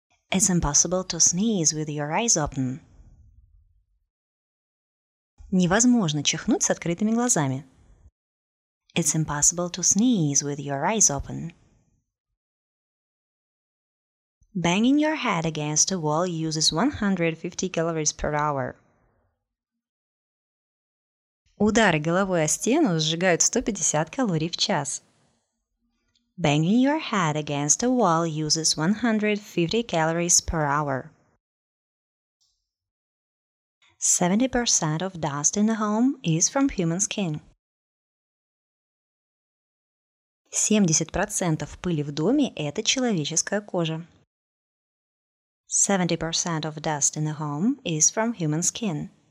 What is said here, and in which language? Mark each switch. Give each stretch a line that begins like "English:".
English: It's impossible to sneeze with your eyes open.
Russian: Невозможно чихнуть с открытыми глазами.
English: It's impossible to sneeze with your eyes open. Banging your head against a wall uses 150 calories per hour.
Russian: Удары головой о стену сжигают 150 калорий в час.
English: Banging your head against a wall uses 150 calories per hour. 70% of dust in the home is from human skin.
Russian: 70% пыли в доме – это человеческая кожа.
English: 70% of dust in the home is from human skin.